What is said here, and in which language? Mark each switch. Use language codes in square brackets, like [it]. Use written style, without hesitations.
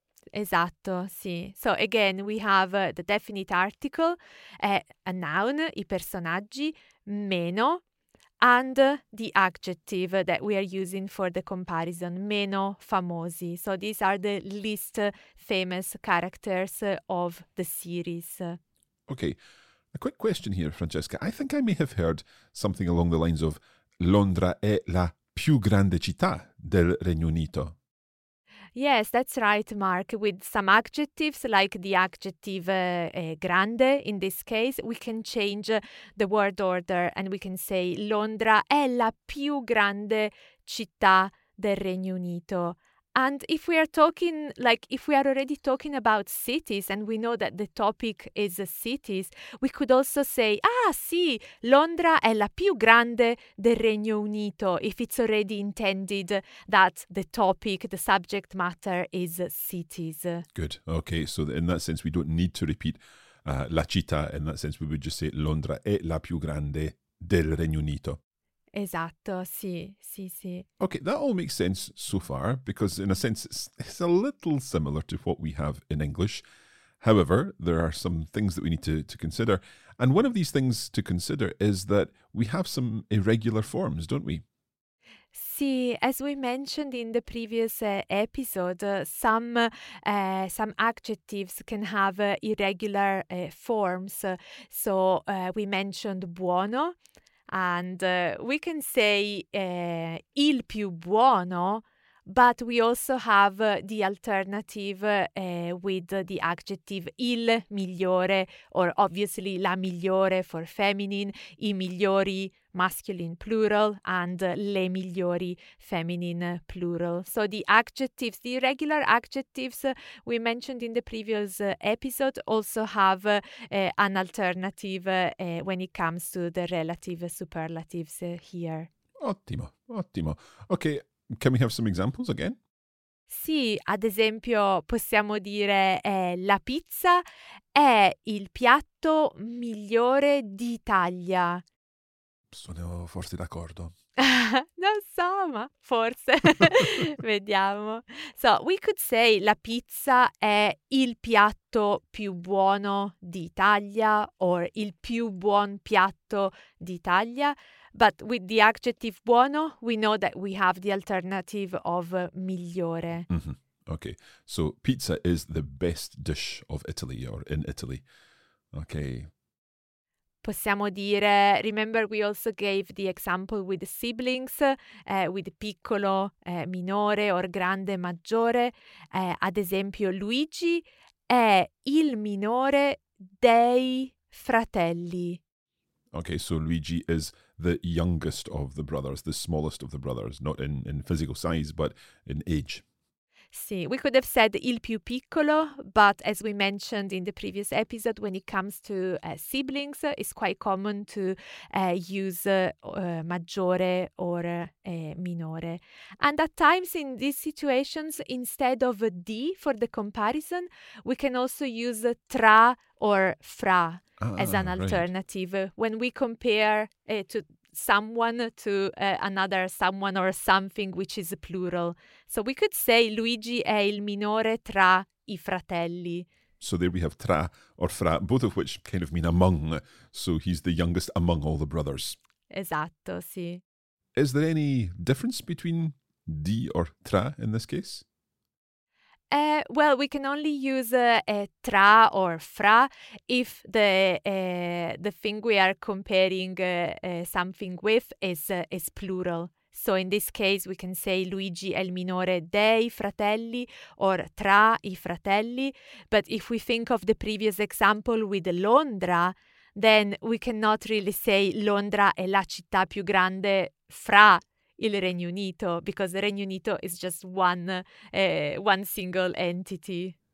[it] Esatto, sì. [en] So again, we have the definite article, a noun, [it] i personaggi, [en] meno, and the adjective that we are using for the comparison, [it] meno famosi. [en] So these are the least famous characters of the series. Okay, a quick question here, Francesca. I think I may have heard something along the lines of [it] Londra è la più grande città del Regno Unito. [en] Yes, that's right, Mark. With some adjectives, like the adjective grande in this case, we can change the word order and we can say [it] Londra è la più grande città del Regno Unito. [en] And if we are talking, like if we are already talking about cities and we know that the topic is cities, we could also say, [it] ah sì, Londra è la più grande del Regno Unito, [en] if it's already intended that the topic, the subject matter is cities. Good. Okay. So in that sense, we don't need to repeat [it] la città. [en] In that sense, we would just say [it] Londra è la più grande del Regno Unito. Esatto, sì, sì, sì. [en] Okay, that all makes sense so far, because in a sense it's a little similar to what we have in English. However, there are some things that we need to consider. And one of these things to consider is that we have some irregular forms, don't we? Sì, as we mentioned in the previous episode, some adjectives can have irregular forms. So we mentioned buono. And we can say [it] il più buono, [en] but we also have the alternative with the adjective [it] il migliore, [en] or obviously [it] la migliore [en] for feminine, [it] i migliori [en] masculine plural, and [it] le migliori [en] feminine plural. So the adjectives, the irregular adjectives we mentioned in the previous episode also have an alternative when it comes to the relative superlatives here. [it] Ottimo, ottimo. [en] Okay, can we have some examples again? [it] Sì, ad esempio possiamo dire la pizza è il piatto migliore d'Italia. Sono forse d'accordo. Non so, ma forse. Vediamo. [en] So, we could say [it] la pizza è il piatto più buono d'Italia, [en] or [it] il più buon piatto d'Italia. [en] But with the adjective buono, we know that we have the alternative of migliore. Mm-hmm. Okay, so pizza is the best dish of Italy, or in Italy. Okay. [it] Possiamo dire, [en] remember we also gave the example with siblings, with piccolo, minore, or grande, maggiore. [it] Ad esempio, Luigi è il minore dei fratelli. [en] Okay, so Luigi is the youngest of the brothers, the smallest of the brothers, not in physical size, but in age. Sì, we could have said [it] il più piccolo, [en] but as we mentioned in the previous episode, when it comes to siblings, it's quite common to use maggiore or minore. And at times in these situations, instead of di for the comparison, we can also use tra or fra as an alternative. Right. When we compare to someone to another someone or something which is plural. So we could say [it] Luigi è il minore tra i fratelli. [en] So there we have tra or fra, both of which kind of mean among. So he's the youngest among all the brothers. [it] Esatto, sì. [en] Is there any difference between di or tra in this case? Well, we can only use tra or fra if the thing we are comparing something with is plural. So in this case, we can say [it] Luigi è il minore dei fratelli [en] or [it] tra i fratelli. [en] But if we think of the previous example with Londra, then we cannot really say [it] Londra è la città più grande fra il Regno Unito, [en] because the Regno Unito is just one single entity.